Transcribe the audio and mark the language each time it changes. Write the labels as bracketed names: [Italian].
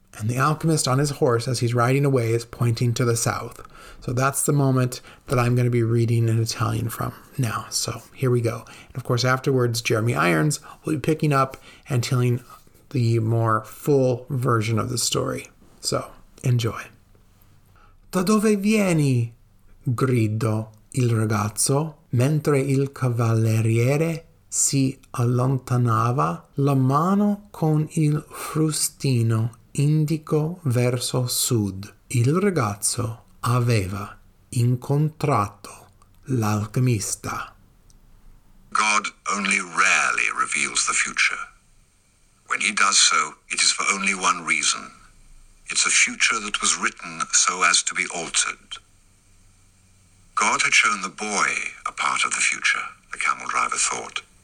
[English] And the alchemist on his horse, as he's riding away, is pointing to the south. So that's the moment that I'm going to be reading in Italian from now. So here we go. And of course, afterwards, Jeremy Irons will be picking up and telling the more full version of the story. So enjoy. [Italian] Da dove vieni? Gridò il ragazzo, mentre il cavaliere si allontanava, la mano con il frustino indicò verso sud. Il ragazzo aveva incontrato l'alchemista. [English] God only rarely reveals the future. When he does so, it is for only one reason. It's a future that was written so as to be altered. God had shown the boy a part of the future, the camel driver thought.